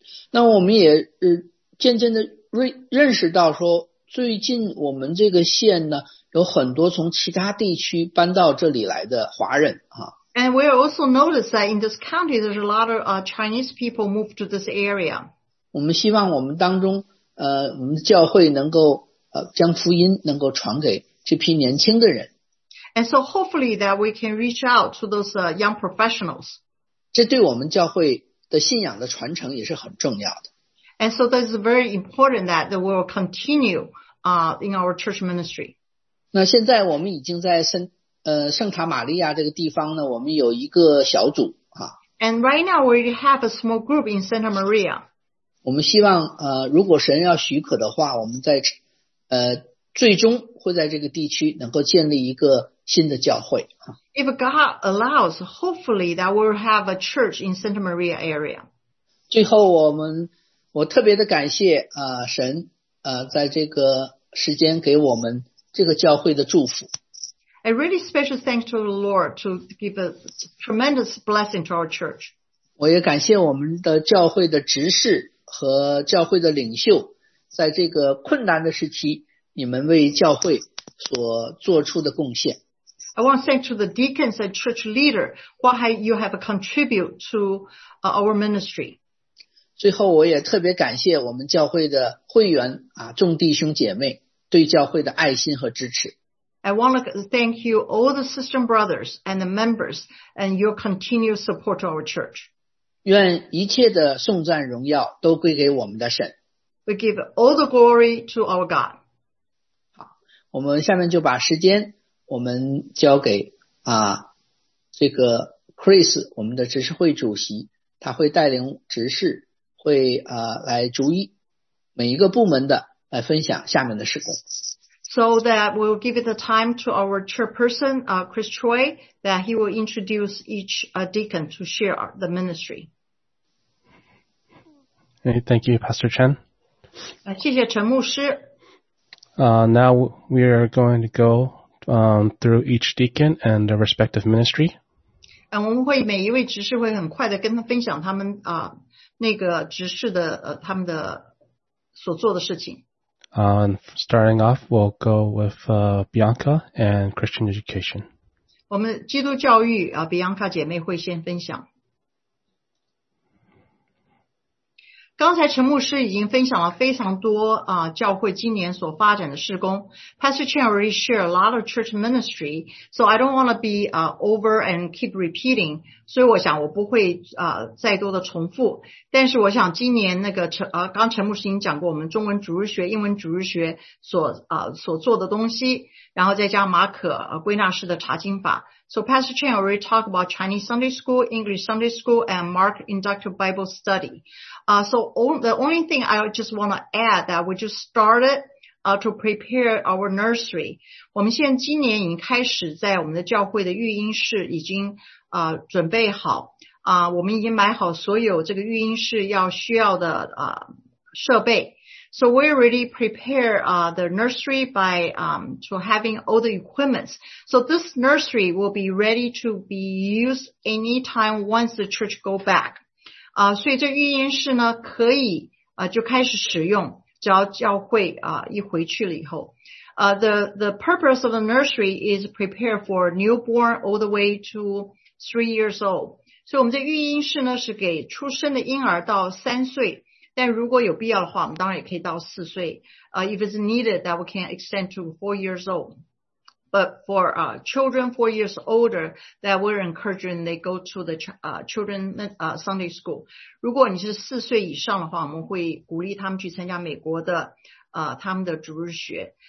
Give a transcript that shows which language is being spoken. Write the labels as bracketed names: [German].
[Chinese] 那我们也渐渐的认识到说，最近我们这个县呢，有很多从其他地区搬到这里来的华人啊。 [English] And we also notice that in this county, there's a lot of Chinese people moved to this area. [Chinese] 我们希望我们当中我们教会能够将福音能够传给这批年轻的人。 [English] And so hopefully that we can reach out to those young professionals. [Chinese] 这对我们教会的信仰的传承也是很重要的。 [English] And so that is very important that we will continue in our church ministry. [Chinese] 那现在我们已经在圣塔玛利亚这个地方呢，我们有一个小组啊。 [English] And right now we have a small group in Santa Maria. [Chinese] 我们希望如果神要许可的话，我们在最终会在这个地区能够建立一个新的教会。 [English] If God allows, hopefully that we'll have a church in Santa Maria area. [Chinese] 最后我特别的感谢神在这个时间给我们这个教会的祝福。 [English] A really special thanks to the Lord to give a tremendous blessing to our church. [Chinese] 我也感谢我们的教会的执事和教会的领袖，在这个困难的时期你们为教会所做出的贡献。 [English] I want to thank to the deacons and church leader what you have contributed to our ministry. [Chinese] 最后我也特别感谢我们教会的会员众弟兄姐妹对教会的爱心和支持。 [English] I want to thank you all the sister brothers and the members and your continued support to our church. [Chinese] 愿一切的颂赞荣耀都归给我们的神。 [English] We give all the glory to our God. [Chinese] 我们下面就把时间我们交给这个 Chris， 我们的执事会主席，他会带领执事会来逐一每一个部门的来分享下面的事工。 [English] So that we'll give it the time to our chairperson, Chris Choi, that he will introduce each deacon to share the ministry. Hey, thank you, Pastor Chen. [Chinese] 谢谢陈牧师。 [English] Now we are going to go through each deacon and their respective ministry. [Chinese] 我们会每一位执事会很快的跟他分享他们那个执事的他们的所做的事情。 [English] Starting off, we'll go with Bianca and Christian Education. [Chinese] 我们基督教育Bianca 姐妹会先分享。刚才陈牧师已经分享了非常多教会今年所发展的事工。 [English] Pastor Chen already shared a lot of church ministry, so I don't want to be over and keep repeating, [Chinese] 所以我想我不会再多的重复。但是我想今年那个刚陈牧师已经讲过我们中文主日学、英文主日学所做的东西，然后再加马可归纳式的查经法。 [English] So Pastor Chen already talked about Chinese Sunday School, English Sunday School, and Mark Inductive Bible Study. The only thing I just want to add that we just started to prepare our nursery. [Chinese] 我们现在今年已经开始在我们的教会的育婴室已经准备好。我们已经买好所有这个育婴室要需要的设备。 [English] So we already prepare the nursery by to having all the equipments. So this nursery will be ready to be used anytime once the church go back. [Chinese] 所以这育婴室呢可以就开始使用，只要教会一回去了以后。 [English] The purpose of the nursery is prepare for newborn all the way to 3 years old. [Chinese] 所以我们这育婴室呢是给出生的婴儿到三岁，但如果有必要的话，我们当然也可以到四岁。 [English] If it's needed, that we can extend to 4 years old. But for children 4 years older, that we're encouraging they go to the children Sunday school. [Chinese] 如果你是四岁以上的话，我们会鼓励他们去参加美国的他们的主日学。